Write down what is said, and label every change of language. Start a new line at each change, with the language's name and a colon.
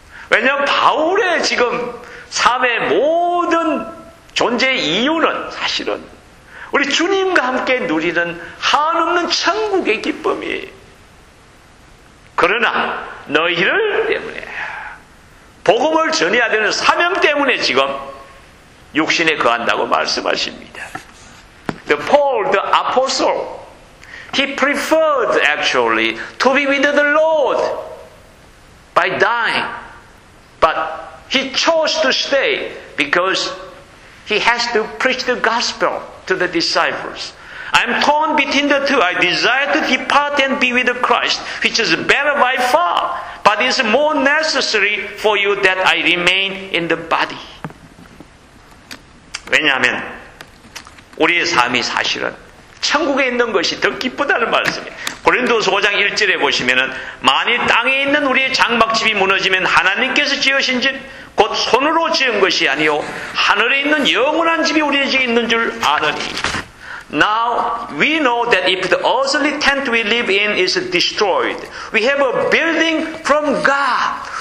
Korean: 왜냐하면 바울의 지금 삶의 모든 존재의 이유는 사실은 우리 주님과 함께 누리는 한없는 천국의 기쁨이 그러나 너희를 때문에 복음을 전해야 되는 사명 때문에 지금 육신에 거한다고 말씀하십니다.
English: The Paul, the apostle, he preferred actually to be with the Lord by dying. But he chose to stay because he has to preach the gospel to the disciples. I'm torn between the two. I desire to depart and be with Christ, which is better by far, but it's more necessary for you that I remain in the body.
Korean: 왜냐하면 우리의 삶이 사실은 천국에 있는 것이 더 기쁘다는 말씀이에요. 고린도서 5장 1절에 보시면은 만일 땅에 있는 우리의 장막집이 무너지면 하나님께서 지으신 집 곧 손으로 지은 것이 아니오 하늘에 있는 영원한 집이 우리에게 있는 줄 아느니.
English: Now we know that if the earthly tent we live in is destroyed, we have a building from God.